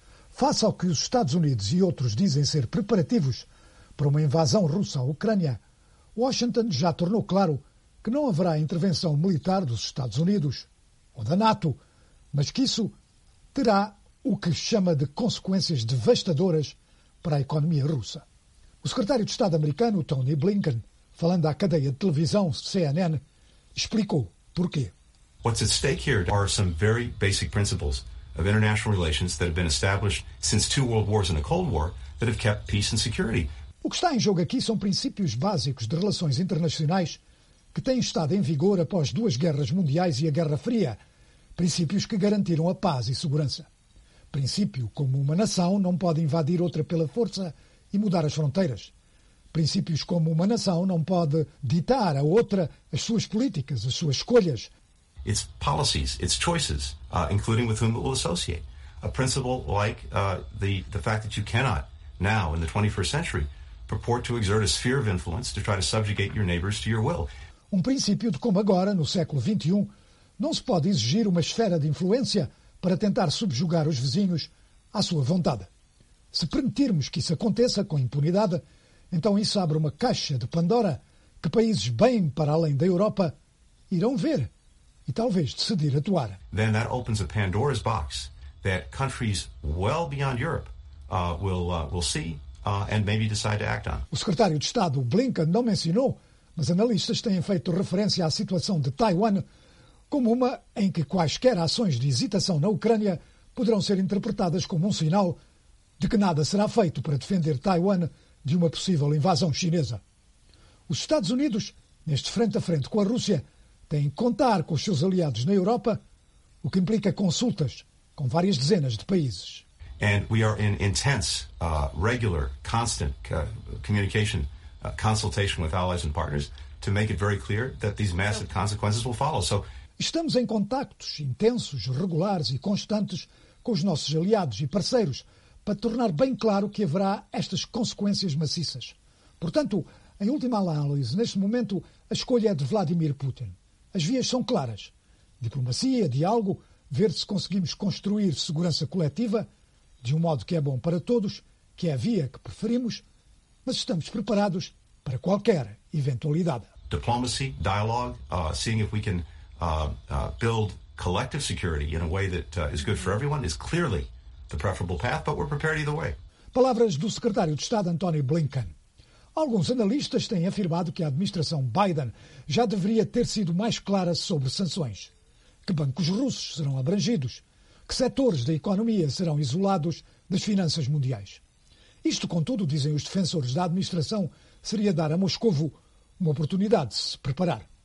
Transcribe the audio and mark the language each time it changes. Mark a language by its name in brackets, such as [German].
[Portuguese] Face ao que os Estados Unidos e outros dizem ser preparativos para uma invasão russa à Ucrânia, Washington já tornou claro que não haverá intervenção militar dos Estados Unidos ou da NATO, mas que isso terá o que chama de consequências devastadoras para a economia russa. O secretário de Estado americano, Tony Blinken, falando à cadeia de televisão CNN, explicou porquê. [English] What's at stake here are some very basic principles of international relations that have been established since two world wars and a cold war that have kept peace and security. [Portuguese] O que está em jogo aqui são princípios básicos de relações internacionais que têm estado em vigor após duas guerras mundiais e a Guerra Fria, princípios que garantiram a paz e segurança. Princípio como uma nação não pode invadir outra pela força e mudar as fronteiras. Princípios como uma nação não pode ditar a outra as suas políticas, as suas escolhas. [English] It's policies, it's choices, including with whom it will associate. A principle like the fact that you cannot now in the 21st century purport to exert a sphere of influence to try to subjugate your neighbors to your will. Um princípio de como agora no século 21 não se pode exigir uma esfera de influência para tentar subjugar os vizinhos à sua vontade. [Portuguese] Se permitirmos que isso aconteça com impunidade, então isso abre uma caixa de Pandora que países bem para além da Europa irão ver e talvez decidir atuar. [English] Then that opens a Pandora's box that countries well beyond Europe will see and maybe decide to act on. [Portuguese] O secretário de Estado Blinken não mencionou, mas analistas têm feito referência à situação de Taiwan como uma em que quaisquer ações de hesitação na Ucrânia poderão ser interpretadas como um sinal de que nada será feito para defender Taiwan de uma possível invasão chinesa. Os Estados Unidos, neste frente a frente com a Rússia, têm que contar com os seus aliados na Europa, o que implica consultas com várias dezenas de países. [English] And we are in intense, regular, constant communication, consultation with allies and partners to make it very clear that these massive consequences will follow. So [Portuguese] estamos em contactos intensos, regulares e constantes com os nossos aliados e parceiros para tornar bem claro que haverá estas consequências maciças. Portanto, em última análise, neste momento, a escolha é de Vladimir Putin. As vias são claras. Diplomacia, diálogo, ver se conseguimos construir segurança coletiva, de um modo que é bom para todos, que é a via que preferimos, mas estamos preparados para qualquer eventualidade. [English] Diplomacy, dialogue, seeing if we can build collective security in a way that is good for everyone is clearly the preferable path, but we're prepared either way. [Portuguese] Palavras do secretário de Estado Antony Blinken. Alguns analistas têm afirmado que a administração Biden já deveria ter sido mais clara sobre sanções. Que bancos russos serão abrangidos? Que setores da economia serão isolados das finanças mundiais? Isto, contudo, dizem os defensores da administração, seria dar a Moscovo uma oportunidade de se preparar.